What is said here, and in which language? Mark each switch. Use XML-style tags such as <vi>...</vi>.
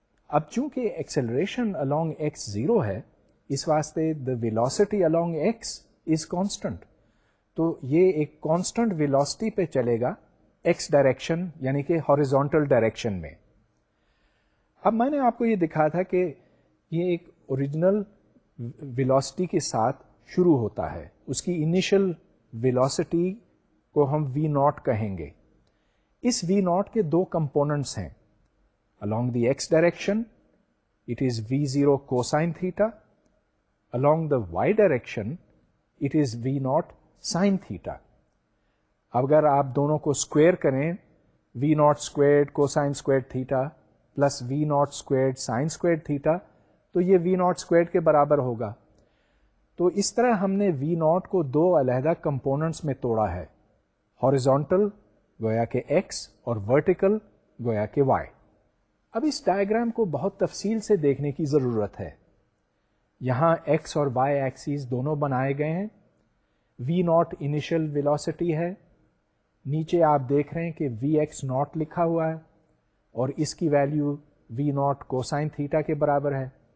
<ur>اب چونکہ acceleration along x zero ہے, اس واسطے</ur> <en>the velocity along X is constant,</en> <ur>تو یہ ایک کانسٹنٹ ویلوسٹی پہ چلے گا ایکس ڈائریکشن یعنی کہ ہوریزونٹل ڈائریکشن میں. اب میں نے آپ کو یہ دکھا تھا کہ یہ ایک اوریجنل ویلوسٹی کے ساتھ شروع ہوتا ہے, اس کی انیشل ویلوسٹی کو ہم وی ناٹ کہیں گے. اس وی ناٹ کے دو کمپوننٹس ہیں,</ur> <en>along the x direction it is v0 cosine theta, along the y direction it is v0 sine theta.</en> <ur>اب اگر آپ دونوں کو اسکویئر کریں,</ur> <en>v0 squared cosine squared theta plus v0 squared sine squared theta,</en> <ur>تو یہ</ur> <en>v0 squared</en> <ur>کے برابر ہوگا. تو اس طرح ہم نے v0 کو دو علیحدہ کمپوننٹس میں توڑا ہے, ہوریزونٹل گویا کہ x اور ورٹیکل گویا کہ y. اب اس ڈائیگرام کو بہت تفصیل سے دیکھنے کی ضرورت ہے. یہاں ایکس اور وائی ایکسیز دونوں بنائے گئے ہیں, وی ناٹ انیشل ویلوسٹی ہے, نیچے آپ دیکھ رہے ہیں کہ وی ایکس ناٹ لکھا ہوا ہے, اور اس کی value we not cosine theta کے برابر ہے.</ur>